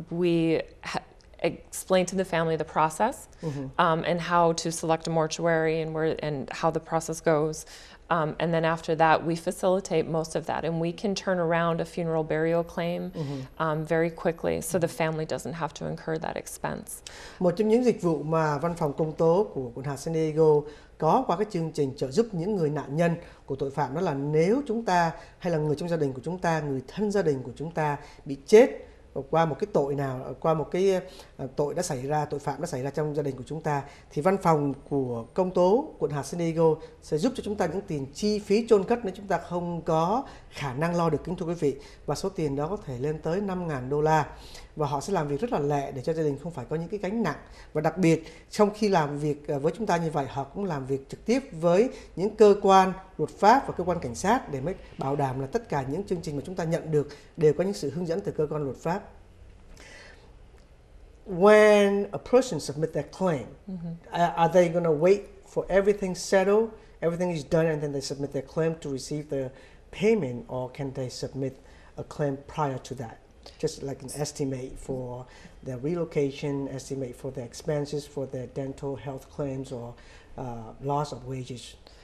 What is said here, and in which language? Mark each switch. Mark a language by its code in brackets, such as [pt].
[en] We explain to the family the process mm-hmm. And how to select a mortuary and where and how the process goes. And then after that, we facilitate most of that. And we can turn around a funeral burial claim mm-hmm. Very quickly, so the family doesn't have to incur that expense. [vi] Một trong những dịch vụ mà văn phòng công tố của quận Hà San Diego có qua cái chương trình trợ giúp những người nạn nhân của tội phạm đó là nếu chúng ta hay là người trong gia đình của chúng ta, người thân gia đình của chúng ta bị chết qua một cái tội nào, qua một cái tội đã xảy ra, tội phạm đã xảy ra trong gia đình của chúng ta, thì văn phòng của công tố quận Hà San Diego sẽ giúp cho chúng ta những tiền chi phí chôn cất nếu chúng ta không có khả năng lo được, kính thưa quý vị. Và số tiền đó có thể lên tới 5.000 đô la. Và họ sẽ làm việc rất là lẹ để cho gia đình không phải có những cái gánh nặng. Và đặc biệt, trong khi làm việc với chúng ta như vậy, họ cũng làm việc trực tiếp với những cơ quan luật pháp và cơ quan cảnh sát để mới bảo đảm là tất cả những chương trình mà chúng ta nhận được đều có những sự hướng dẫn từ cơ quan luật pháp. [en] When a person submits their claim, mm-hmm. are they going to wait for everything settled, everything is done, and then they submit their claim to receive the payment, or can they submit a claim prior to that? Just like an estimate for their relocation, estimate for their expenses, for their dental health claims, or loss of wages?